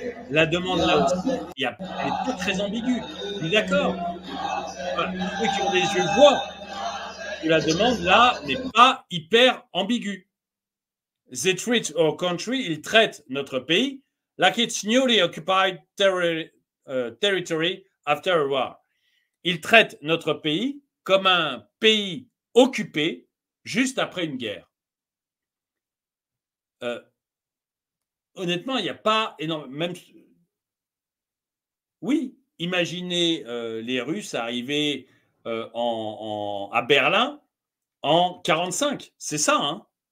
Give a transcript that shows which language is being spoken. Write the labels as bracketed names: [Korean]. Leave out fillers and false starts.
[French] La demande là aussi est pas très ambiguë. Je suis d'accord. Voilà. Ceux qui ont des yeux voient que la demande là n'est pas hyper ambiguë. [English] They treat our country, [French] ils traitent notre pays, [English] like it's newly occupied territory after a war. [French] Ils traitent notre pays comme un pays occupé juste après une guerre. Honnêtement, il n'y a pas énormément. Oui, imaginez les Russes arriver à Berlin en 45. C'est ça, hein?